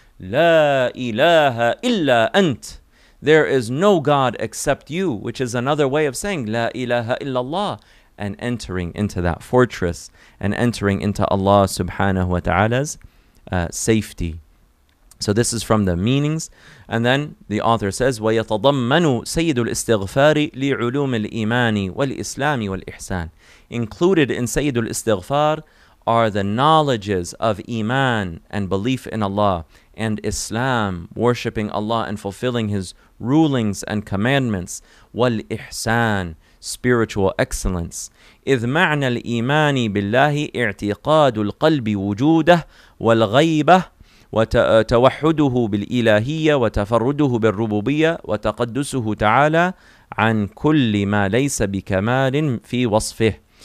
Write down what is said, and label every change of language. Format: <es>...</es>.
<en>La ilaha illa ant. There is no God except you, which is another way of saying La ilaha illallah, and entering into that fortress and entering into Allah subhanahu wa ta'ala's safety. So this is from the meanings. And then the author says,</en> <ar>وَيَتَضَمَّنُ سَيِّدُ الْإِسْتِغْفَارِ لِعُلُومِ الْإِيمَانِ وَالْإِسْلَامِ وَالْإِحْسَانِ.</ar> <en>Included in Sayyidu al-Istighfar are the knowledges of Iman and belief in Allah, and Islam, worshipping Allah and fulfilling His rulings and commandments, wal ihsan, spiritual excellence.</en> <ar>إِذْ مَعْنَى الْإِيمَانِ بِاللَّهِ اعْتِقَادُ الْقَلْبِ وُجُودَهُ وَالْغَيْبَهُ وَتَوَحُّدُهُ بِالْإِلَهِيَّةِ وَتَفَرُّدُهُ بِالرُّبُوبِيَّةِ وَتَقَدُّسُهُ تَعَالَى عَنْ كُلِّ مَا لَيْسَ بِكَمَالٍ فِي وَصْفِهِ.</ar>